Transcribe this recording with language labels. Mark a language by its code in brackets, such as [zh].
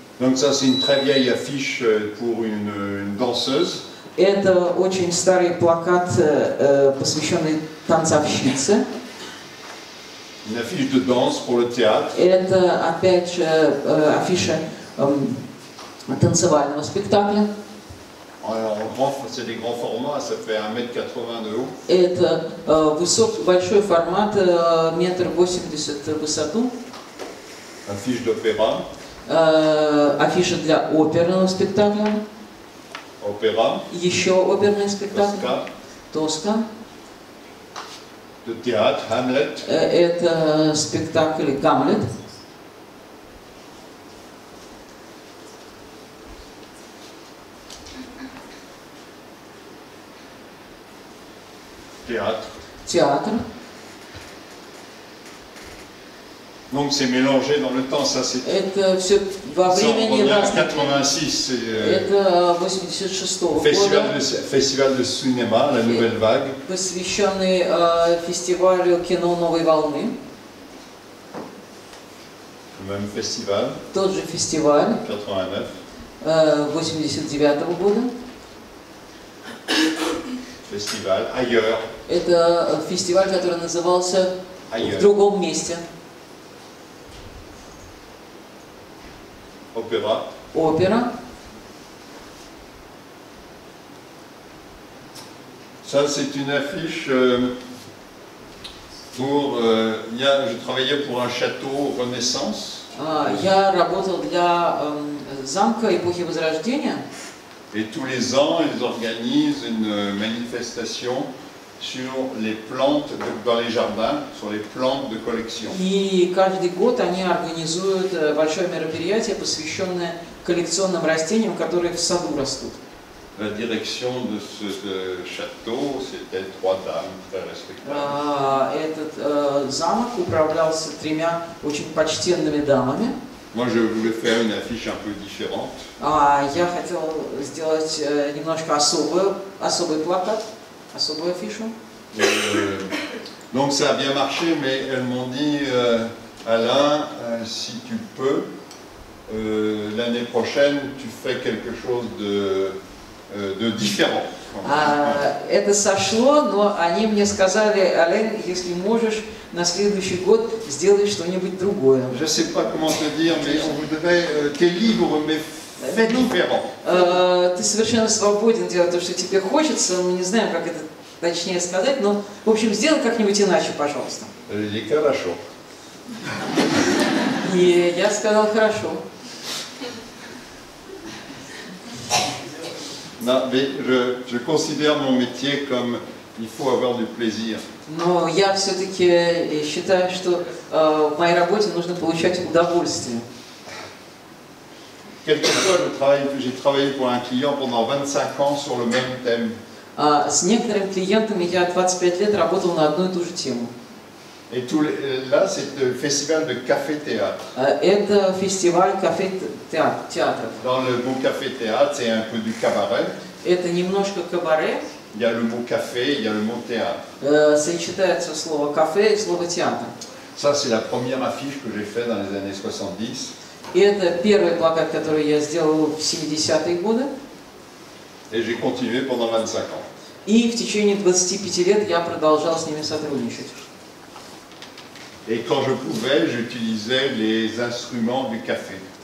[fr] Donc ça, c'est une très vieille affiche pour une danseuse. [ru] Это очень старый плакат, посвященный танцовщице. [fr] Une affiche de danse pour le théâtre. [ru] Это опять же афиша танцевального спектакля. [fr] C'est des grands formats, ça fait 1,80 m de haut. [ru] Это большой формат, 1,80 м в высоту. [fr] Affiche d'opéra. [ru] Афиша для оперного спектакля. Опера. Еще оперный спектакль. Тоска. Тоска. [fr] De théâtre, Hamlet. [ru] Это спектакль Гамлет. [fr] Théâtre. Donc c'est mélangé dans le temps, ça c'est. [ru] Это все во времени. [fr] Ça, 86. [ru] Это 86-го года. [fr] Фестиваль де cinéma, la nouvelle vague. [ru] Посвященный фестивалю кино новой волны. [fr] Le même festival. [ru] Тот же фестиваль. [fr] 89. [ru] 89-го года. [fr] Фестиваль ailleurs. [ru] Это фестиваль, который назывался в другом месте. Опера. Опера. [fr] Ça c'est une affiche pour je travaillais pour un château Renaissance. [ru] Я работал для замка эпохи Возрождения. [fr] Et tous les ans, ils organisent une manifestation sur les plantes dans les jardins, sur les plantes de collection. [ru] И каждый год они организуют большое мероприятие, посвященное коллекционным растениям, которые в саду растут. [fr] La direction de ce château, c'était trois dames très respectables. [ru] Этот замок управлялся тремя очень почтенными дамами. [fr] Moi, je voulais faire une affiche un peu différente. [ru] Я хотел сделать немножко особый плакат, особую афишу. [fr] Donc ça a bien marché, mais elles m'ont dit, Alain, si tu peux, l'année prochaine, tu fais quelque chose de de différent. [ru] Это сошло, но они мне сказали: «Ален, если можешь, на следующий год сделай что-нибудь другое». [fr] Je sais pas comment te dire, mais on voudrait t'es libre, mais fais différent. [ru] Ты совершенно свободен делать то, что тебе хочется. Мы не знаем, как это точнее сказать, но в общем сделай как-нибудь иначе, пожалуйста. Или хорошо. И я сказал хорошо. [fr] Non, mais je considère mon métier comme il faut avoir du plaisir. [ru] Но я все-таки считаю, что в моей работе нужно получать удовольствие. [fr] Quelquefois, j'ai travaillé pour un client pendant 25 ans sur le même thème. [ru] С некоторыми клиентами я 25 лет работал на одну и ту же тему. [fr] Et tout là, c'est le festival de café théâtre. [ru] Это фестиваль кафе театр. [fr] Dans le mot café théâtre, c'est un peu du cabaret. [ru] Это немножко кабаре. [fr] Il y a le mot café, il y a le mot théâtre. [ru] Сочетается слово кафе и слово театр. [fr] Ça, c'est la première affiche que j'ai faite dans les années 70. [ru] Это первый плакат, который я сделал в 70-е годы. [fr] Et j'ai continué pendant 25 ans. [ru] И в течение 25 лет я продолжал с ними сотрудничать. [fr] Et quand je pouvais, j'utilisais les instruments du café.